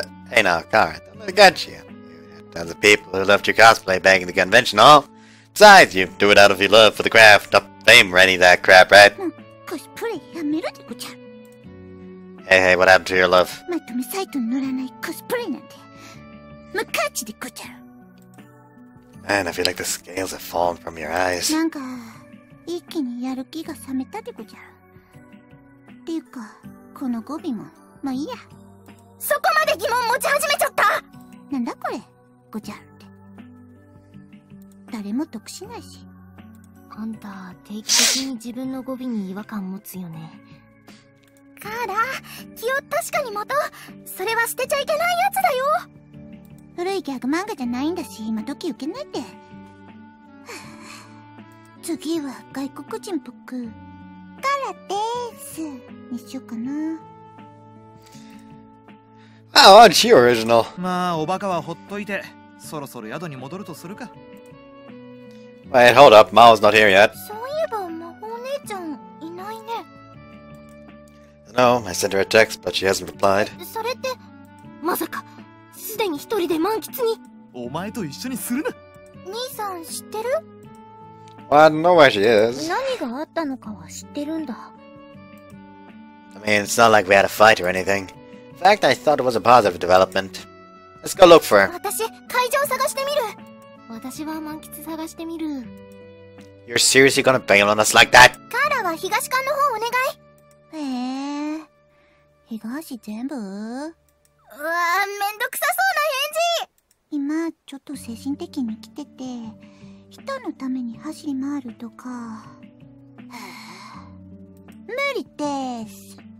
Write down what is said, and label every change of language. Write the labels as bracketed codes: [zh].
[en] Hey now, Kara, don't let it get you. You have tons of people who loved your cosplay back in the convention hall. Besides, you do it out of your love for the craft, not fame or any of that crap, right? [ja] Cosplay, やめるでこちゃ。 [en] Hey, hey, what happened to your love? [ja] まとめサイトに乗らないコスプレなんて。ムカチでこちゃう。 [en] Man, I feel like the scales have fallen from your eyes. [ja] なんか、一気にやる気が冷めたでこちゃう。ていうか、この語尾も、まあいいや。そこまで疑問持ち始めちゃった。なんだこれ、こちゃうって。誰も得しないし。あんた、定期的に自分の語尾に違和感持つよね。カーラ、気を確かに持とう。それは捨てちゃいけないやつだよ。古いギャグ漫画じゃないんだし、今時受けないって。次は外国人っぽく、カーラでーす、にしようかな。 [en] Oh, aren't you original? [ja] まあ、おバカはほっといて、そろそろ宿に戻るとするか。 [en] Wait, hold up, Mao's not here yet. [ja] そういえば、魔法姉ちゃん、いないね。 [en] No, I sent her a text, but she hasn't replied. [ja] それって、まさか、すでに一人で満喫に。お前と一緒にするな。兄さん、知ってる？ [en] Well, I don't know where she is. [ja] 何があったのかは知ってるんだ。 [en] I mean, it's not like we had a fight or anything. In fact, I thought it was a positive development. Let's go look for her. [ja] 私、会場探してみる。私は満喫探してみる。 [en] You're seriously gonna bail on us like that? [ja] カーラは東館の方お願い。東全部？うわぁ、めんどくさそうな返事！今、ちょっと精神的に来てて、人のために走り回るとか、無理でーす。